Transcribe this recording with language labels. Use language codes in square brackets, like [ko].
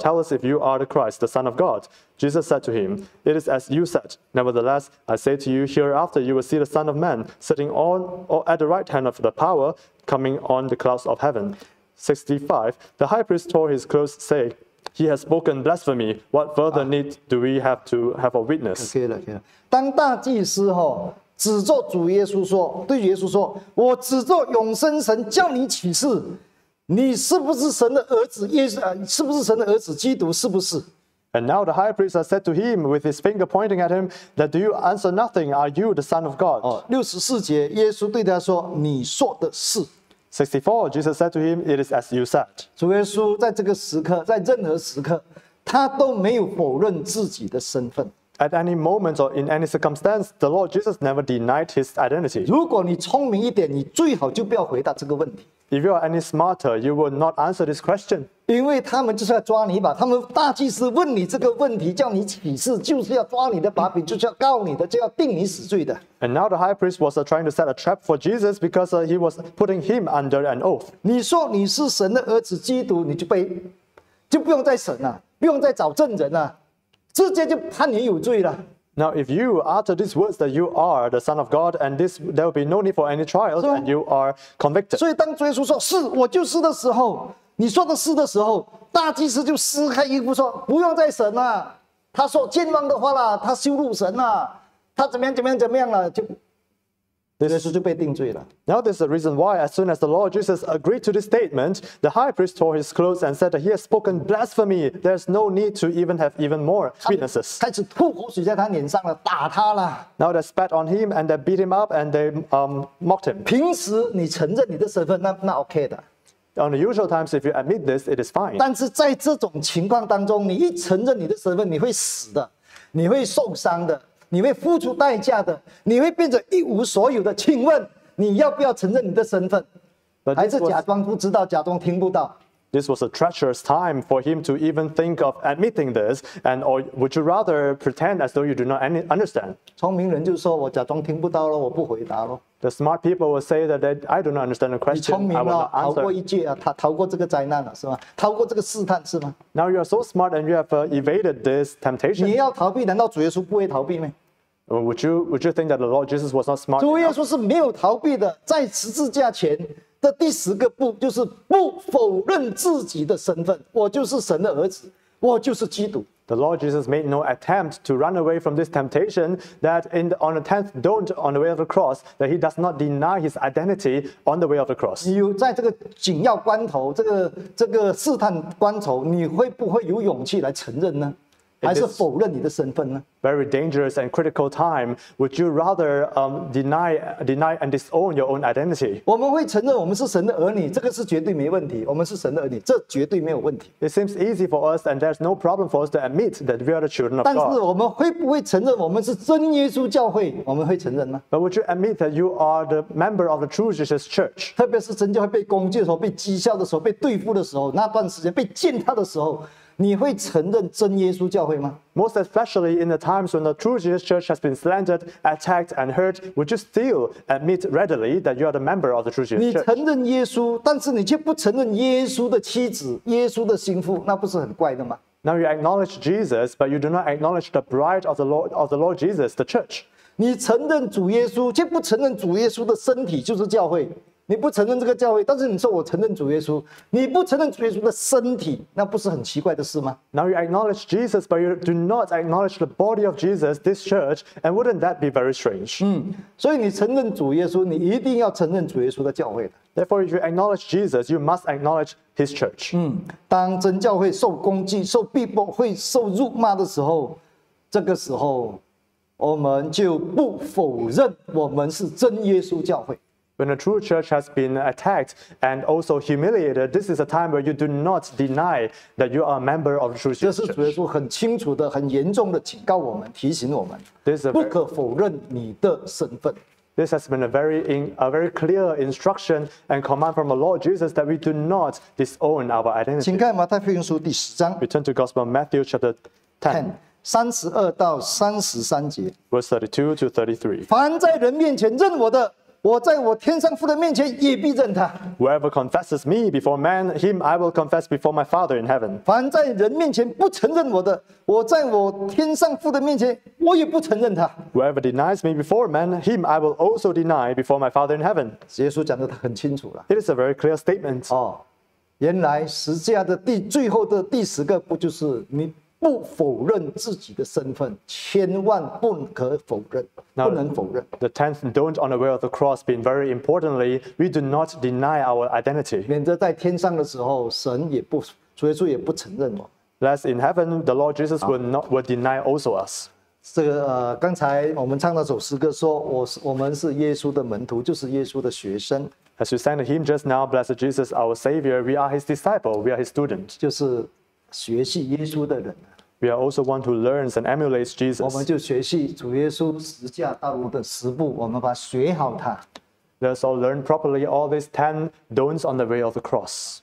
[en] Tell us if you are the Christ, the Son of God. Jesus said to him, It is as you said. Nevertheless, I say to you, hereafter you will see the Son of Man sitting at the right hand of the power, coming on the clouds of heaven. 65. The high priest tore his clothes, saying, "He has spoken blasphemy. What further need do we have to have a witness?" Okay, okay. [zh] 当大祭司哈指着主耶稣说，对耶稣说，我指着永生神叫你起誓，你是不是神的儿子？是不是神的儿子？基督是不是？ [en] And now the high priest said to him, with his finger pointing at him, "That do you answer nothing? Are you the Son of God?" [zh] 64节，耶稣对他说，你说的是。 [en] 64, Jesus said to him, It is as you said. [zh] 主耶稣在这个时刻，在任何时刻，他都没有否认自己的身份。 [en] At any moment or in any circumstance, the Lord Jesus never denied his identity. [zh] 如果你聪明一点，你最好就不要回答这个问题。 [en] If you are any smarter, you will not answer this question. [zh] 因为他们就是要抓你一把，他们大祭司问你这个问题，叫你起誓，就是要抓你的把柄，就是要告你的，就要定你死罪的。 [en] And now the high priest was trying to set a trap for Jesus because he was putting him under an oath. [zh] 你说你是神的儿子基督，你就被就不用再审了，不用再找证人了，直接就判你有罪了。 [en] Now, if you utter these words that you are the Son of God, and this, there will be no need for any trials, so, and you are convicted. [zh] 所以当耶稣说是我就是的时候，你说的是的时候，大祭司就撕开衣服说不用再审了。他说健忘的话了，他羞辱神了，他怎么样怎么样怎么样了，就。 [en] Now this is the reason why as soon as the Lord Jesus agreed to this statement, the high priest tore his clothes and said that he has spoken blasphemy. There's no need to even have even more witnesses. [zh] 开始吐口水在他脸上了，打他了。 [en] Now they spat on him and they beat him up and they mocked him. [zh] 平时你承认你的身份，那 OK 的。 [en] On the usual times, if you admit this, it is fine. [zh] 但是在这种情况当中，你一承认你的身份，你会死的，你会受伤的。你会付出代价的，你会变成一无所有的。请问你要不要承认你的身份？还是假装不知道，假装听不到？ [en] This was a treacherous time for him to even think of admitting this, and or would you rather pretend as though you do not understand? [zh] 聪明人就说我假装听不到了，我不回答了。 [en] The smart people will say that I do not understand the question. I will not answer. [zh] 逃过一劫啊，逃过这个灾难了，是吧？逃过这个试探，是吗？ [en] Now you are so smart and you have evaded this temptation. [zh] 你要逃避，难道主耶稣不会逃避吗？ [en] Would you think that the Lord Jesus was not smart? [zh] 主耶稣是没有逃避的，在十字架前的第十个不就是不否认自己的身份，我就是神的儿子，我就是基督。 [en] The Lord Jesus made no attempt to run away from this temptation that in the, on the 10th don't on the way of the cross, that he does not deny his identity on the way of the cross. [zh] 你在这个紧要关头，这个试探关头，你会不会有勇气来承认呢？还是否认你的身份呢？ [en] Very dangerous and critical time. Would you rather deny and disown your own identity? [zh] 我们会承认我们是神的儿女，这个是绝对没问题。我们是神的儿女，这绝对没有问题。 [en] It seems easy for us, and there's no problem for us to admit that we are the children of God. [zh] 但是我们会不会承认我们是真耶稣教会？我们会承认吗？ [en] But would you admit that you are the member of the true Jesus Church? [zh] 特别是真教会被攻击的时候、被讥笑的时候、被对付的时候，那段时间被践踏的时候。你会承认真耶稣教会吗？ [en] Most especially in the times when the true Jesus Church has been slandered, attacked, and hurt, would you still admit readily that you are the member of the true Jesus Church? [zh] 你承认耶稣，但是你却不承认耶稣的妻子、耶稣的心腹，那不是很怪的吗？ [en] Now you acknowledge Jesus, but you do not acknowledge the bride of the Lord Jesus, the church. [zh] 你承认主耶稣，却不承认主耶稣的身体就是教会。你不承认这个教会，但是你说我承认主耶稣，你不承认主耶稣的身体，那不是很奇怪的事吗？ [en] Now you acknowledge Jesus, but you do not acknowledge the body of Jesus, this church, and wouldn't that be very strange? [zh] 所以你承认主耶稣，你一定要承认主耶稣的教会。 [en] Therefore, if you acknowledge Jesus, you must acknowledge his church. [zh] 当真教会受攻击、受逼迫、会受辱骂的时候，这个时候，我们就不否认我们是真耶稣教会。 [en] When a true church has been attacked and also humiliated, this is a time where you do not deny that you are a member of the true church. [zh] 这是主耶稣很清楚的、很严重的警告我们、提醒我们，不可否认你的身份。 [en] This has been a very clear instruction and command from the Lord Jesus that we do not disown our identity. [zh] 请看马太福音书第十章。 [en] Return to Gospel Matthew chapter 10. [zh] 32-33节。 [en] Verse 32-33. [zh] 凡在人面前认我的。我在我天上父的面前也必认他。 [en] Whoever confesses me before man, him I will confess before my Father in heaven. [zh] 凡在人面前不承认我的，我在我天上父的面前我也不承认他。 [en] Whoever denies me before man, him I will also deny before my Father in heaven. [zh] 耶稣讲的很清楚了。 [en] It is a very clear statement. [zh] 哦，原来十字架的最后的第十个不就是你不否认自己的身份，千万不可否认。 [en] Now, [zh] 不能否认。 [en] The tenth don't on the way of the cross being very importantly, we do not deny our identity. [zh] 免得在天上的时候，神也不，主耶稣也不承认我。 [en] Lest in heaven, the Lord Jesus will deny also us. [zh] 这个刚才我们唱那首诗歌说，我们是耶稣的门徒，就是耶稣的学生。 [en] As we sang the hymn just now, Blessed Jesus, our Savior, we are his disciple, we are his student. [zh] 就是学习耶稣的人。 [en] We are also one who learns and emulates Jesus. [zh] 我们就学习主耶稣十架道路的十步，我们把学好它。 [en] Let's all learn properly all these 10 don'ts on the way of the cross.